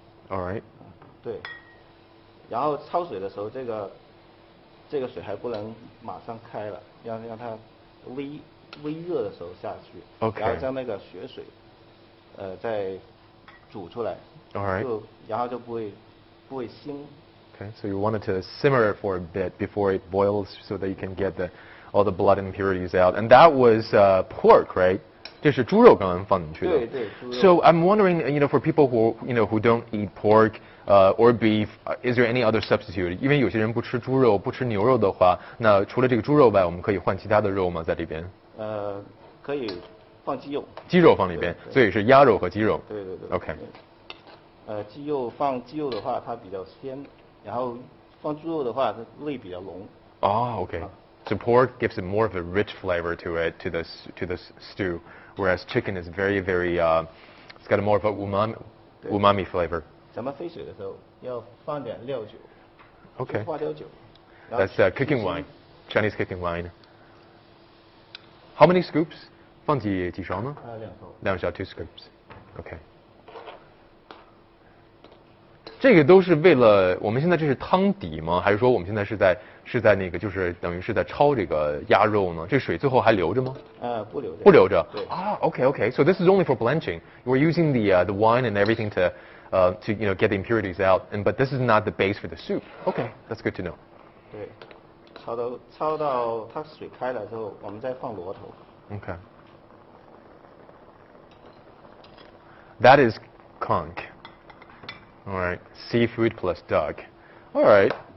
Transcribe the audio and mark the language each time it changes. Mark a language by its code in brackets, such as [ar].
[en] All right. [zh] 对，然后焯水的时候，这个水还不能马上开了，要让它微热的时候下去。 [en] OK。 [zh] 然后将那个血水，再煮出来。 [en] All right. [zh] 然后就不会腥。 [en] Okay, so you wanted to simmer it for a bit before it boils so that you can get all the blood impurities out. And that was pork, right? [zh] 这是猪肉刚刚放进去的。对对，猪肉。 [en] So I'm wondering, you know, for people who don't eat pork or beef, is there any other substitute? [zh] 因为有些人不吃猪肉，不吃牛肉的话，那除了这个猪肉外，我们可以换其他的肉吗？在这边？可以放鸡肉。鸡肉放里边，对对，所以是鸭肉和鸡肉。对对对。 [en] OK。 [zh] 鸡肉的话，它比较鲜。然后放猪肉的话，它味比较浓。 [en] Okay. So pork gives it more of a rich flavor to this stew, whereas chicken is very, very, it's got a more of a umami flavor. [zh] 咱们飞水的时候要放点料酒。 [en] Okay. [zh] 花雕酒。 [en] That's cooking wine, Chinese cooking wine. How many scoops? [zh] 放几勺呢？两勺 [en] ，two scoops. Okay. [zh] 这个都是为了我们现在这是汤底吗？还是说我们现在是在那个就是等于是在焯这个鸭肉呢？这水最后还留着吗？不留着。不留着。 [en] Okay. So this is only for blanching. We're using the wine and everything to you know get the impurities out. But this is not the base for the soup. Okay, that's good to know. [zh] 对，焯到它水开了之后，我们再放螺头。 [en] Okay. That is conch. All right, seafood plus duck. All right.